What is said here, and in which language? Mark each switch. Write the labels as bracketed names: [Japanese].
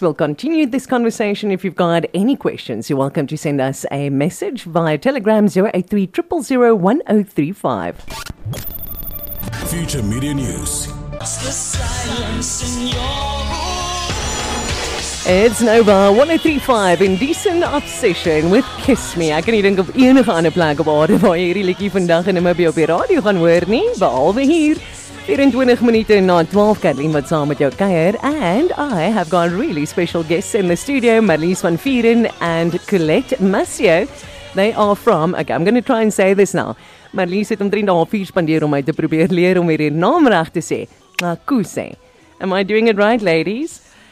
[English] We'll continue this conversation. If you've got any questions, you're welcome to send us a message via Telegram 083-000-1035. Future Media News. It's the silence in your voice. It's Nova 103.5 in Decent Obsession with Kiss Me. [Afrikaans] Ek kan nie dink of enige ander plek op aarde waar jy hierdie liedjie vandag en Namibia op die radio gaan hoor nie, behalwe hier. 24 minute na 12, Karleen wat saam met jou kuier. [English] And I have got really special guests in the studio, Marlies van Vieren and Colette Massieu. They are from, okay, I'm going to try and say this now. [Afrikaans] Marlies het omtrent 3.5 uur spandeer om my te probeer leer om hierdie naam reg te sê. Nankuse. [English] Am I doing it right, ladies?